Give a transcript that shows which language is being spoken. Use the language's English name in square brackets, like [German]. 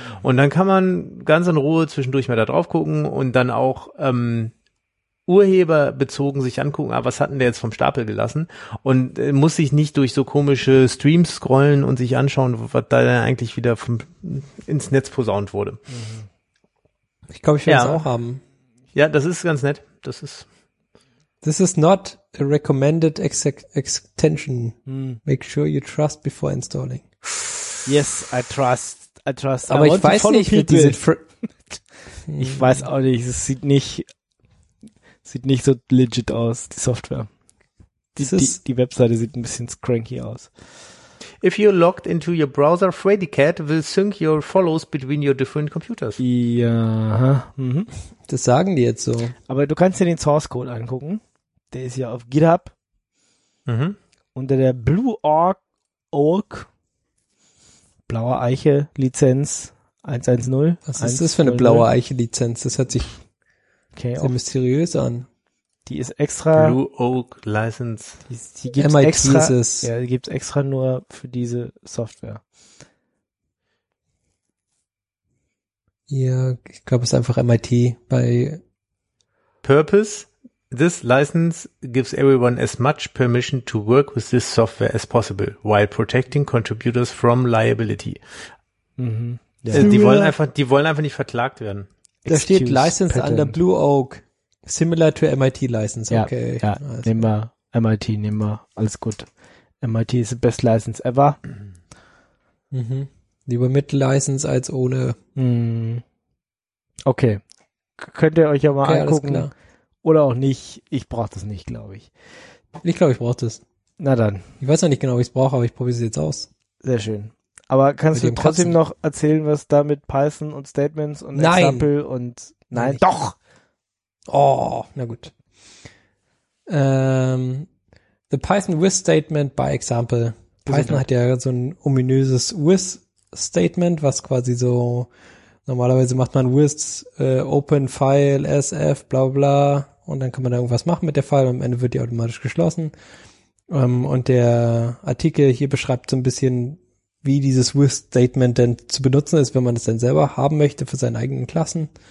[German] Und dann kann man ganz in Ruhe zwischendurch mal da drauf gucken und dann auch urheberbezogen sich angucken, aber was hat denn der jetzt vom Stapel gelassen? Und muss sich nicht durch so komische Streams scrollen und sich anschauen, was da dann eigentlich wieder ins Netz posaunt wurde. Ich glaube, ich werde es auch haben. Ja, das ist ganz nett. [English] This is not a recommended extension. Hm. Make sure you trust before installing. Yes, I trust. [German] Aber ich weiß nicht, wie diese ich weiß auch nicht, es sieht nicht so legit aus, die Software. Die Webseite sieht ein bisschen cranky aus. [English] If you're logged into your browser, FreddyCat will sync your follows between your different computers. [German] Ja. Das sagen die jetzt so. Aber du kannst dir den Source Code angucken. der ist ja auf GitHub. Mhm. Unter der Blue Org, blaue Eiche Lizenz 110. Was ist das für eine blaue Eiche Lizenz? Das hört sich sehr mysteriös an. Die ist extra. [English] Blue Oak License. [German] Die gibt's MIT extra. Ist es. Ja, die gibt's extra nur für diese Software. Ja, ich glaube, es ist einfach MIT bei. [English] Purpose. This license gives everyone as much permission to work with this software as possible, while protecting contributors from liability. Mhm. [German] Ja. Die wollen einfach nicht verklagt werden. Da Excuse steht License patent. [English] Under Blue Oak. Similar to MIT License, okay. [German] Ja, ja. Also. Nehmen wir MIT, nehmen wir. Alles gut. MIT ist [English] the best license ever. Mhm. [German] Lieber mit License als ohne. Mhm. Okay. Könnt ihr euch ja mal angucken. Alles klar. Oder auch nicht. Ich brauche das nicht, glaube ich. Ich glaube, ich brauche das. Na dann. Ich weiß noch nicht genau, ob ich es brauche, aber ich probiere es jetzt aus. Sehr schön. Aber kannst du trotzdem noch erzählen, was da mit Python und Statements und Example und nein, doch! Oh, na gut. [English] The Python with Statement by Example. [German] Python hat ja so ein ominöses with Statement, was quasi so, normalerweise macht man with open file sf bla bla und dann kann man da irgendwas machen mit der File und am Ende wird die automatisch geschlossen. Und der Artikel hier beschreibt so ein bisschen, wie dieses with Statement denn zu benutzen ist, wenn man es dann selber haben möchte für seine eigenen Klassen.